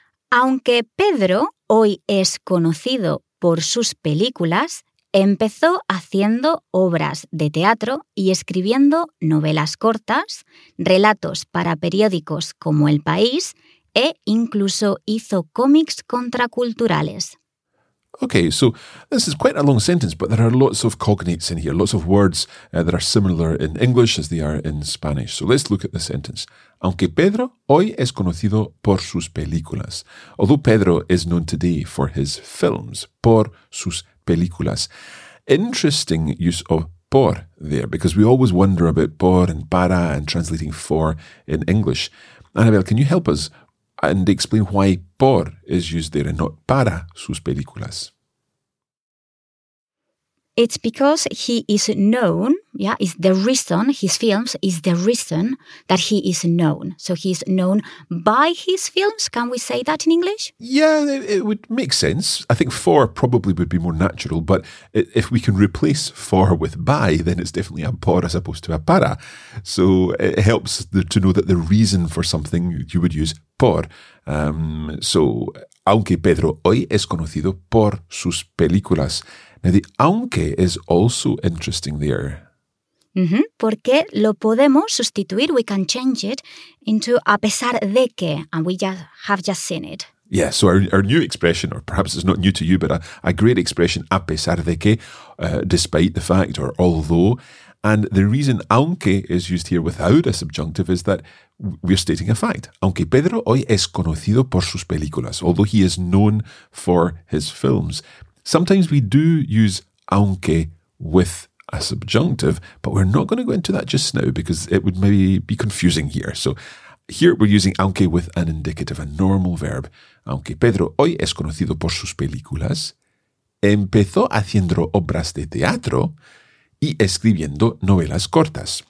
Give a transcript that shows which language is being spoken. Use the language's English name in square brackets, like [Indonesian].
[Spanish] Aunque Pedro hoy es conocido por sus películas, empezó haciendo obras de teatro y escribiendo novelas cortas, relatos para periódicos como El País e incluso hizo cómics contraculturales. [English] Okay, so this is quite a long sentence, but there are lots of cognates in here, lots of words that are similar in English as they are in Spanish. So let's look at the sentence. [Spanish] Aunque Pedro hoy es conocido por sus películas. [English] Although Pedro is known today for his films, [Spanish] por sus películas. [English] Interesting use of por there, because we always wonder about por and para and translating for in English. Anabel, can you help us and explain why por is used there and not [Spanish] para sus películas? [English] It's because he is known, yeah, is the reason, his films is the reason that he is known. So he's known by his films, can we say that in English? Yeah, it would make sense. I think for probably would be more natural, but if we can replace for with by, then it's definitely a por as opposed to a para. So it helps to know that the reason for something you would use por. [Spanish] So, aunque Pedro hoy es conocido por sus películas. [English] Now, the aunque is also interesting there. Mm-hmm. [Spanish] Porque lo podemos sustituir, [English] we can change it into [Spanish] a pesar de que, [English] and we have just seen it. Yeah, so our new expression, or perhaps it's not new to you, but a great expression, [Spanish] a pesar de que, [English] despite the fact, or although. And the reason aunque is used here without a subjunctive is that we're stating a fact. [Spanish] Aunque Pedro hoy es conocido por sus películas, [English] although he is known for his films. Sometimes we do use aunque with a subjunctive, but we're not going to go into that just now because it would maybe be confusing here. So here we're using aunque with an indicative, a normal verb. [Spanish] Aunque Pedro hoy es conocido por sus películas, empezó haciendo obras de teatro y escribiendo novelas cortas.